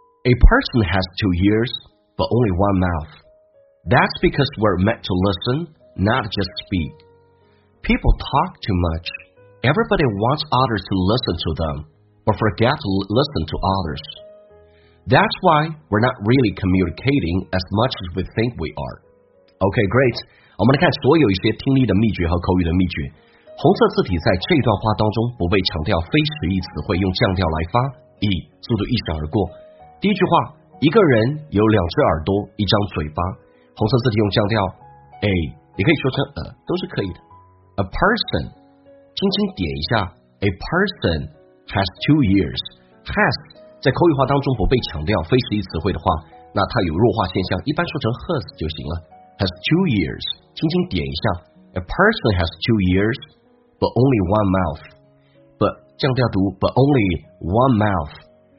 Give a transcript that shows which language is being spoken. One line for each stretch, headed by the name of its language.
English: A person has two ears but only one mouth. That's because we're meant to listen, not just speak. People talk too much. Everybody wants others to listen to them but forget to listen to othersThat's why we're not really communicating as much as we think we are. OK, great.
Chinese: 我们来看所有一些听力的秘诀和口语的秘诀。红色字体在这段话当中不被强调非实义词汇，用降调来发，以速度一闪而过。第一句话，一个人有两只耳朵，一张嘴巴。红色字体用降调 A， 也可以说成都是可以的。
English: A person，
Chinese: 轻轻点一下。
English: A person has two ears.
Chinese: Has在口语化当中不被强调非实义词汇的话，那它有弱化现象，一般说成 has 就行了。
English: has two ears，
Chinese: 轻轻点一下。
English: A person has two ears but only one mouth， but
Chinese: 降调读
English: but only one mouth。